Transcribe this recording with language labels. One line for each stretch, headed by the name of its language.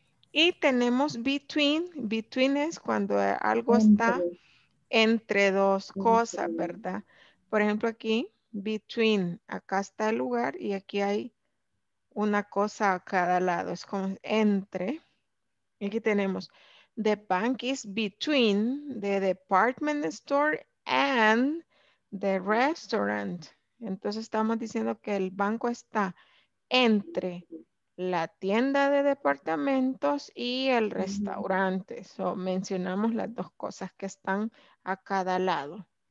Spanish: Y tenemos between, between es cuando algo está entre dos cosas, ¿verdad? Por ejemplo aquí, between, acá está el lugar y aquí hay una cosa a cada lado, es como entre. Y aquí tenemos,
English: the bank is between the department store and the restaurant.
Spanish: Entonces estamos diciendo que el banco está entre la tienda de departamentos y el restaurante. So, mencionamos las dos cosas que están a cada lado.